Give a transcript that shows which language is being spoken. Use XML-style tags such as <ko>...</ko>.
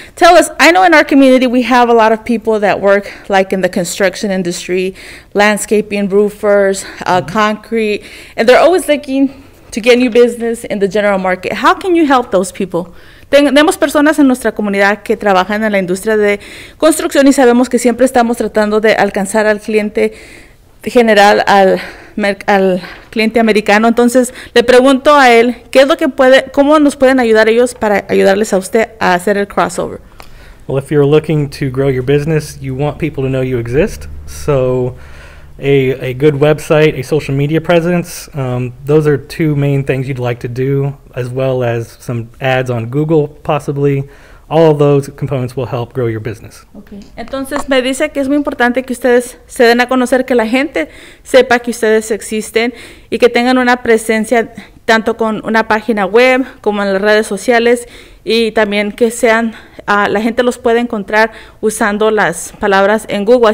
<en>Tell us, I know in our community we have a lot of people that work like in the construction industry, landscaping, roofers, concrete, and they're always looking to get new business in the general market. How can you help those people?</en> <es>Tenemos personas en nuestra comunidad que trabajan en la industria de construcción y sabemos que siempre estamos tratando de alcanzar al cliente general, al cliente americano. Entonces, le pregunto a él, ¿qué es lo que puede, cómo nos pueden ayudar ellos para ayudarles a usted a hacer el crossover?</es> <en>Well, if you're looking to grow your business, you want people to know you exist. So, a good website, a social media presence, those are two main things you'd like to do, as well as some ads on Google, possibly. All of those components will help grow your business. Okay.</en> <es>Entonces me dice que es muy importante que ustedes se den a conocer, que la gente sepa que ustedes existen y que tengan una presencia tanto con una página web como en las redes sociales, y también que sean la gente los puede encontrar usando las palabras en Google.</es>